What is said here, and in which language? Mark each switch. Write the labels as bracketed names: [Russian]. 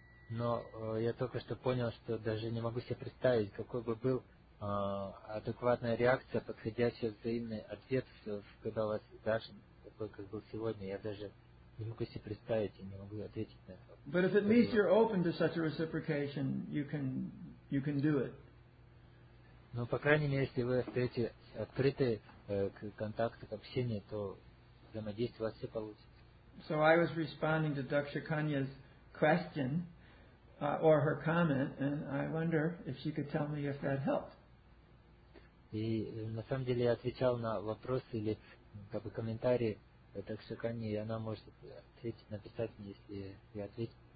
[Russian] Но я только что понял, что даже не могу себе представить, какой бы был адекватная реакция, подходящий взаимный ответ, когда у вас даршан такой, как был сегодня. Я даже не могу себе представить и не могу ответить на это. [English] But if at least you're open to such a reciprocation, you can do it. [Russian] Но по крайней мере, если вы остаете открыты к контакту, к общению, то взаимодействие у вас все получится. [English] So I was responding to Daksha Kanya's question. Or her comment, and I wonder if she could tell me if that helped. [Russian] И на самом деле я отвечал на вопрос или как бы комментарий Даксы Кани, и она может ответить, написать мне, если я ответил.